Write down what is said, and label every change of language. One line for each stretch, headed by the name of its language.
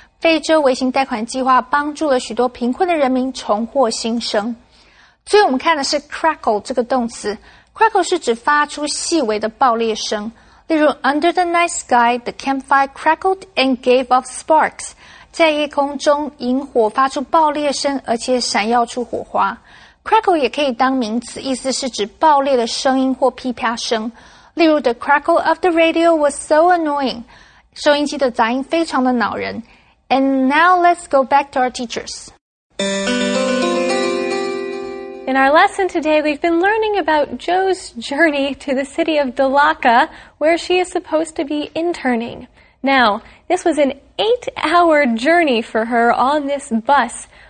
Chinese: 非洲微型贷款计划帮助了许多贫困的人民重获新生。最后我们看的是 crackle 这个动词。
English: Crackle
Chinese: 是指发出细微的爆裂声，例如
English: Under the night sky, the campfire crackled and gave off sparks.
Chinese: 在夜空中，萤火发出爆裂声，而且闪耀出火花。 Crackle 也可以当名词，意思是指爆裂的声音或噼啪声。例如
English: The crackle of the radio was so annoying.
Chinese: 收音机的杂音非常的恼人。
English: And now let's go back to our teachers. In our lesson today, we've been learning about Joe's journey to the city of Dalaka, where she is supposed to be interning. Now, this was an 8-hour journey for her on this bus.